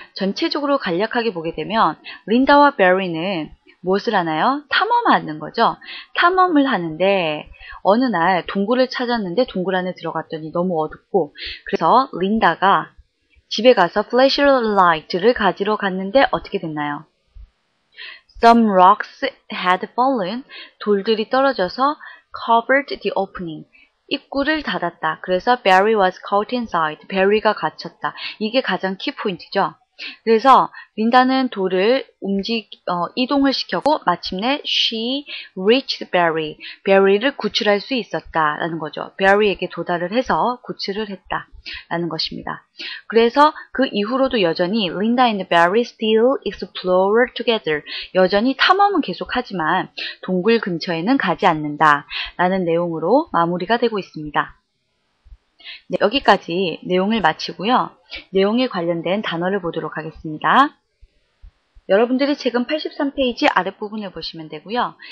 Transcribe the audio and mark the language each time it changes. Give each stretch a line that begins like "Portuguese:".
Korean: 전체적으로 간략하게 보게 되면 린다와 베리는 무엇을 하나요? 탐험하는 거죠. 탐험을 하는데 어느 날 동굴을 찾았는데 동굴 안에 들어갔더니 너무 어둡고 그래서 린다가 집에 가서 flashlight를 가지러 갔는데 어떻게 됐나요?
English: Some rocks had fallen.
Korean: 돌들이 떨어져서
English: covered the opening.
Korean: 입구를 닫았다. 그래서
English: Barry was caught inside.
Korean: Barry가 갇혔다. 이게 가장 키포인트죠. 그래서 린다는 돌을 이동을 시켰고 마침내
English: she reached Barry.
Korean: Barry를 구출할 수 있었다라는 거죠. Barry에게 도달을 해서 구출을 했다라는 것입니다. 그래서 그 이후로도 여전히
English: Linda and Barry still explore together.
Korean: 여전히 탐험은 계속하지만 동굴 근처에는 가지 않는다라는 내용으로 마무리가 되고 있습니다. 네, 여기까지 내용을 마치고요. 내용에 관련된 단어를 보도록 하겠습니다. 여러분들이 지금 83페이지 아랫부분을 보시면 되고요.